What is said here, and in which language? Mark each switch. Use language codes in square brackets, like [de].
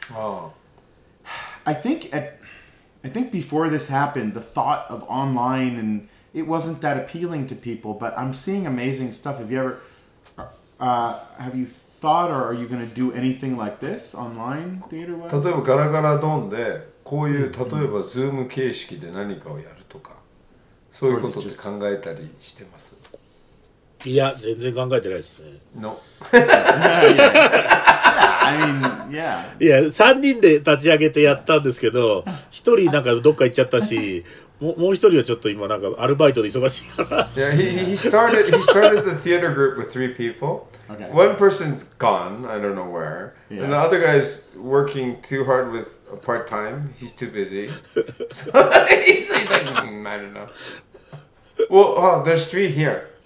[en] Oh. I think at I think before this happened, the thought of online, and it wasn't that appealing to people, but I'm seeing amazing stuff. Have you ever, have you thought, or are you going to do anything like this online theater-wise? [ja] 例えばガラガラドンで、こういう、例えば Zoom 形式で何かをやるとか、そういうことって考えたりしてます。いや、全然考えてないですね。 [en] No. I mean, yeah. [ja] いや3人で立ち上げてやったんですけど、1人なんかどっか行っちゃったし、もう1人はちょっと今なんかアルバイトで忙しいから。 [en] Yeah, he started the theater group with three people. Okay. One person's gone, I don't know where. Yeah. And the other guy's working too hard with a part time. He's too busy. He's like, I don't know. Well, oh, there's three here.